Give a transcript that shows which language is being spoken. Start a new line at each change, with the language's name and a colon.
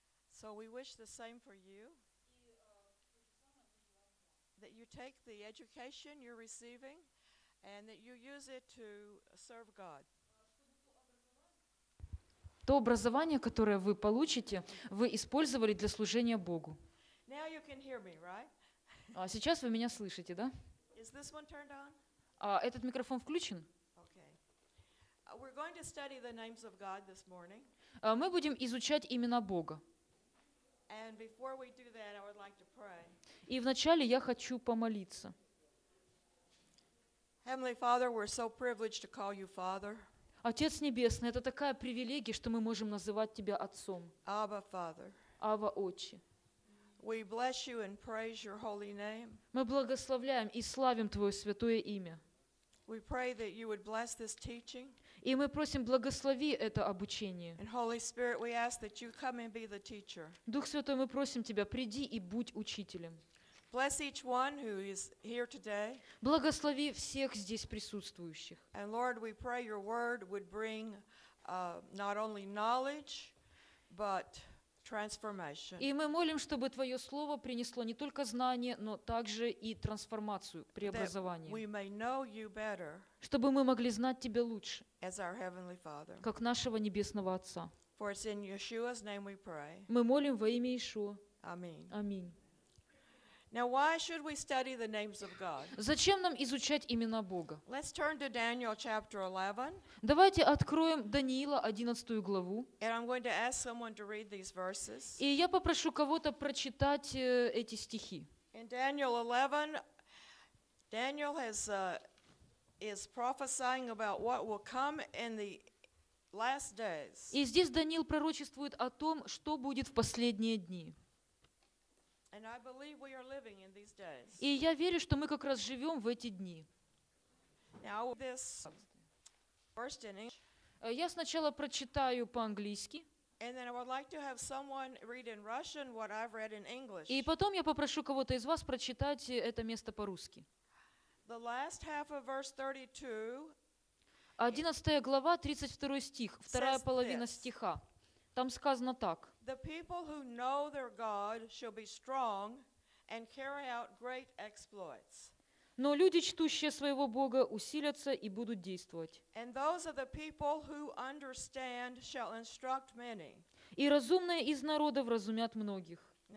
English: So we wish the same for you, that you take the education you're receiving and that you use it to serve God.
Russian: То образование, которое вы получите, вы использовали для служения Богу.
English: Now you can hear me, right?
Russian: Сейчас вы меня слышите, да?
English: Is this one turned on?
Russian: Этот микрофон включен?
English: Okay. We're going to study the names of God this morning.
Russian: Мы будем изучать имена Бога.
English: And before we do that, I would like to pray.
Russian: И вначале я хочу помолиться.
English: Heavenly Father, we're so privileged to call you Father.
Russian: Отец Небесный, это такая привилегия, что мы можем называть Тебя Отцом.
English: Abba, Father.
Russian: Ава, Отче.
English: We bless you and praise your holy name.
Russian: Мы благословляем и славим Твое святое имя.
English: We pray that you would bless this teaching.
Russian: И мы просим, благослови это обучение.
English: And Holy Spirit, we ask that you come and be the teacher.
Russian: Дух Святой, мы просим Тебя, приди и будь учителем.
English: Bless each one who is here today.
Russian: Благослови всех здесь присутствующих.
English: And Lord, we pray your word would bring not only knowledge, but transformation.
Russian: И мы молим, чтобы Твое слово принесло не только знание, но также и трансформацию, преобразование.
English: That we may know you better.
Russian: Чтобы мы могли знать Тебя лучше,
English: as our Heavenly Father.
Russian: Как нашего Небесного Отца.
English: For it's in Yeshua's name we pray.
Russian: Мы молим во имя Иешуа. Аминь. Аминь.
English: Now why should we study the names of God?
Russian: Зачем нам изучать имена Бога?
English: Let's turn to Daniel chapter 11.
Russian: Давайте откроем Даниила 11 главу.
English: And I'm going to ask someone to read these verses.
Russian: И я попрошу кого-то прочитать эти стихи.
English: In Daniel 11, Daniel has... is prophesying about what will come in the last days.
Russian: И здесь Даниил пророчествует о том, что будет в последние дни.
English: And I believe we are living in these days.
Russian: И я верю, что мы как раз живем в эти дни.
English: Now this first in English.
Russian: Я сначала прочитаю по-английски.
English: And then I would like to have someone read in Russian what I've read in English.
Russian: И потом я попрошу кого-то из вас прочитать это место по-русски.
English: The last half of verse 32.
Russian: 11 глава, 32 стих, вторая половина стиха. Там сказано так.
English: The people who know their God shall be strong and carry out great exploits.
Russian: Но люди, чтущие своего Бога, усилятся и будут действовать.
English: And those of the people who understand shall instruct many.
Russian: И разумные из народов разумят многих.